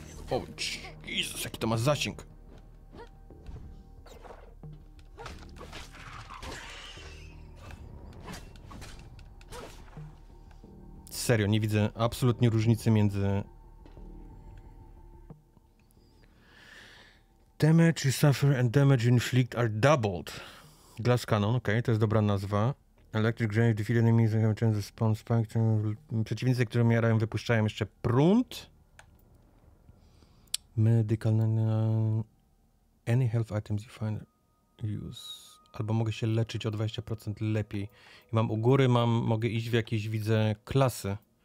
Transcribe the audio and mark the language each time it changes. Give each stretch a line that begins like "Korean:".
Polish: O, Jezus, jaki to ma zasięg. Serio, nie widzę absolutnie różnicy między...
English: Damage you suffer and damage you inflict are doubled.
Polish: Glass cannon, okej, okay, to jest dobra nazwa.
English: Electric grenade defeat enemies have a chance to spawn spike.
Polish: Przeciwnicy, które miarają, wypuszczają jeszcze prunt.
English: Medical... Any health items you find use.
Polish: Albo mogę się leczyć o 20% lepiej. I mam u góry, mogę iść w jakieś, widzę, klasy.